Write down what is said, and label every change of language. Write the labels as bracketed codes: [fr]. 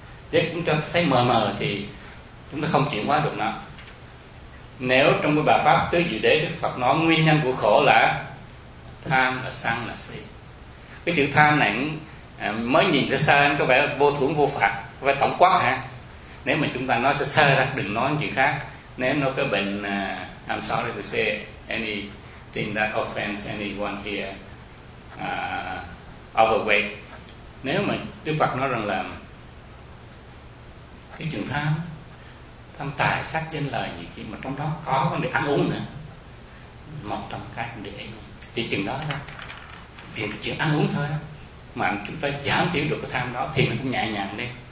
[vi] Chứ chúng ta thấy mờ mờ thì chúng ta không chuyển hóa được nó. Nếu trong cái bài pháp Tứ Diệu Đế Đức Phật nói nguyên nhân của khổ là tham, là sân, là si. Cái chữ tham này mới nhìn ra sơ có vẻ vô thưởng vô phạt, có vẻ tổng quát hả? Nếu mà chúng ta nói sơ ra đừng nói chuyện khác. Nếu nó có bệnh [en] I'm sorry to say anything that offends anyone here overweight. [vi] Nếu mà Đức Phật nói rằng là cái chuyện tham tài sắc danh lợi gì khi mà trong đó có vấn đề ăn uống nữa, một trong các vấn đề thì chừng đó đó, chuyện ăn uống thôi đó, mà chúng ta giảm thiểu được cái tham đó thì mình cũng nhẹ nhàng đi.